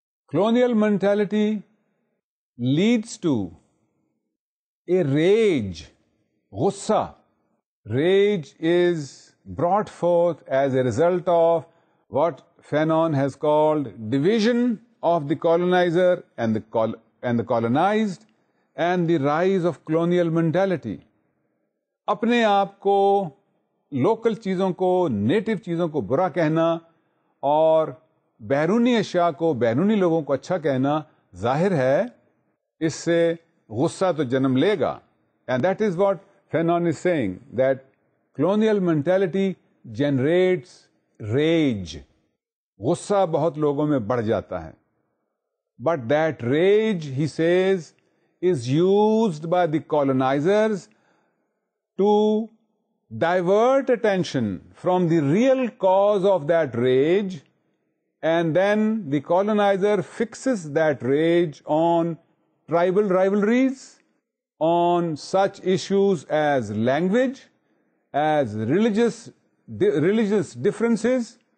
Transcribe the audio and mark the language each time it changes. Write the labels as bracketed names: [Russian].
[English] Colonial mentality leads to a rage, ghussa. Rage is brought forth as a result of what Fanon has called division of the colonizer and the colonized, and the rise of colonial mentality. [Urdu] اپنے آپ کو local چیزوں کو NATO چیزوں کو برا کہنا اور بیرونی اشیاء کو بیرونی لوگوں کو اچھا کہنا ظاہر ہے اس سے غصہ تو جنم لے گا [English] And that is what Fanon is seeing that colonial mentality generates rage. [Urdu] غصہ بہت لوگوں میں بڑھ جاتا ہے. [English] But that rage, he says, is used by the colonizers to divert attention from the real cause of that rage, and then the colonizer fixes that rage on tribal rivalries, on such issues as language, as religious differences,